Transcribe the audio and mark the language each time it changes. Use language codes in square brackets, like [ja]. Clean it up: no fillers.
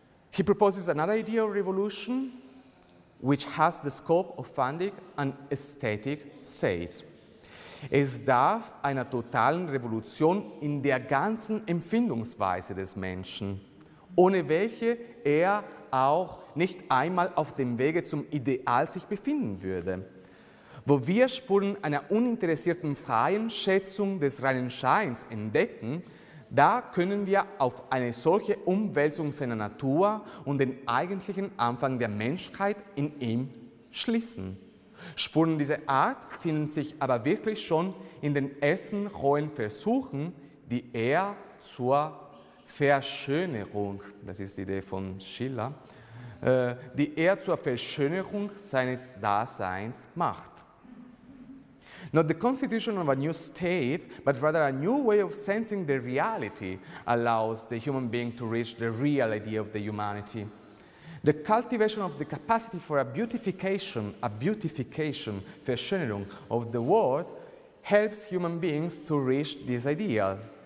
[en] He proposes another idea of revolution, which has the scope of funding an aesthetic state. [de] Es darf einer totalen Revolution in der ganzen Empfindungsweise des Menschen ohne welche er auch nicht einmal auf dem Wege zum Ideal sich befinden würde. Wo wir Spuren einer uninteressierten freien Schätzung des reinen Scheins entdecken, da können wir auf eine solche Umwälzung seiner Natur und den eigentlichen Anfang der Menschheit in ihm schließen. Spuren dieser Art finden sich aber wirklich schon in den ersten hohen Versuchen, die er zur Verschönerung, das ist die Idee von Schiller, die er zur Verschönerung seines Daseins macht. [en] Not the constitution of a new state, but rather a new way of sensing the reality allows the human being to reach the real idea of the humanity. The cultivation of the capacity for a beautification, Verschönerung of the world, helps human beings to reach this ideal.